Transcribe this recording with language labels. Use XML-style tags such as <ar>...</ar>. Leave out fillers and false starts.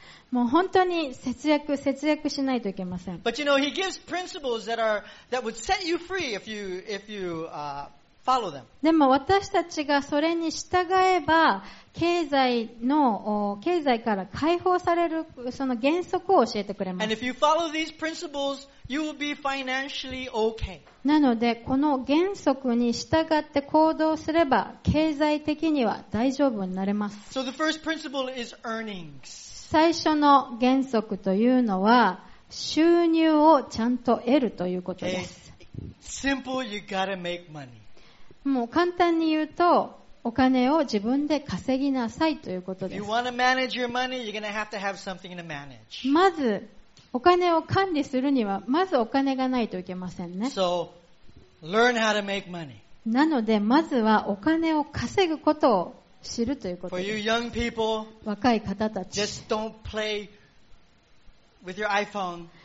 <ja>もう本当に節約しないといけません。</ja> <en>But you know, he gives principles that would set you free if you follow them.</en> <ja>でも私たちがそれに従えば、経済から解放されるその原則を教えてくれます。</ja> <en>And if you follow these principles, you will be financially okay.</en> <ja>なので、この原則に従って行動すれば、経済的には大丈夫になれます。</ja> <en>So the first principle is earnings.</en> <ja>最初の原則というのは収入をちゃんと得るということです。</ja> <en>Simple, you gotta make money.</en> <ja>もう簡単に言うとお金を自分で稼ぎなさいということです。</ja> <en>If you wanna manage your money, you're gonna have to have something to manage.</en> <ja>まずお金を管理するにはまずお金がないといけませんね。</ja> <en>So, learn how to make money.</en> <ja>なのでまずはお金を稼ぐことを知るということです。</ja> <en>For you young people,</en> <ja>若い方たち、</ja> <en>just don't play with your iPhone.</en>